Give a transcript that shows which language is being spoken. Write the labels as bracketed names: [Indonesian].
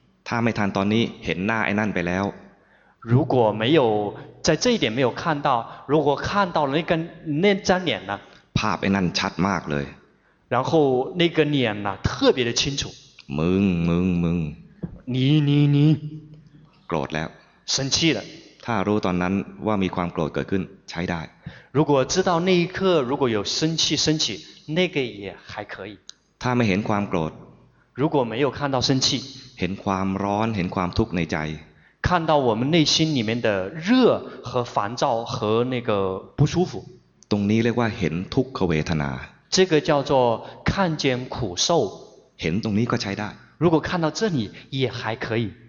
[Thai] ถ้าไม่ทันตอนนี้เห็นหน้าไอ้นั่นไปแล้ว [Chinese] 如果没有在这一点没有看到如果看到了那张脸呢 [Thai] ภาพไอ้นั่นชัดมากเลย [Chinese] 然后那个脸呐特别的清楚 [Thai] มึง [Chinese] 你 [Thai] โกรธแล้ว [Chinese] 生气了 [Thai] ถ้ารู้ตอนนั้นว่ามีความโกรธเกิดขึ้นใช้ได้ [Chinese] 如果知道那一刻如果有生气升起那个也还可以 [Thai] ถ้าไม่เห็นความโกรธ [Chinese] 如果没有看到生气 [Thai] เห็นความร้อนเห็นความทุกข์ในใจ [Chinese] 看到我们内心里面的热和烦躁和那个不舒服 [Thai] ตรงนี้เรียกว่าเห็นทุกขเวทนา [Chinese] 这个叫做看见苦受 [Thai] เห็นตรงนี้ก็ใช้ได้ [Chinese] 如果看到这里也还可以